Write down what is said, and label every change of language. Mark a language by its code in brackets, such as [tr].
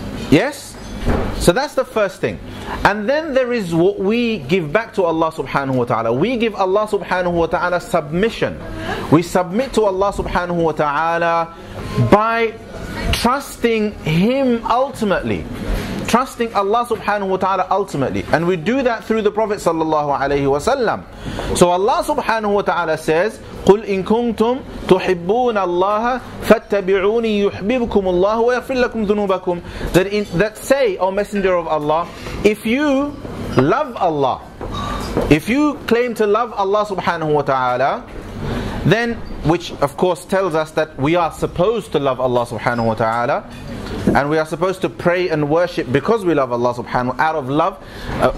[en] Yes? So that's the first thing. And then there is what we give back to Allah subhanahu wa ta'ala. We give Allah subhanahu wa ta'ala submission. We submit to Allah subhanahu wa ta'ala by trusting Him ultimately. Trusting Allah subhanahu wa ta'ala ultimately. And we do that through the Prophet sallallahu alayhi wa sallam. So Allah subhanahu wa ta'ala says, [ar] قُلْ إِن كُنْتُمْ تُحِبُّونَ اللَّهَ فَاتَّبِعُونِي يُحْبِبْكُمُ اللَّهُ وَيَغْفِرْ لَكُمْ ذُنُوبَكُمْ. [en] That say, O Messenger of Allah, if you love Allah, if you claim to love Allah subhanahu wa ta'ala, then, which of course tells us that we are supposed to love Allah subhanahu wa ta'ala, and we are supposed to pray and worship because we love Allah subhanahu wa ta'ala out of love.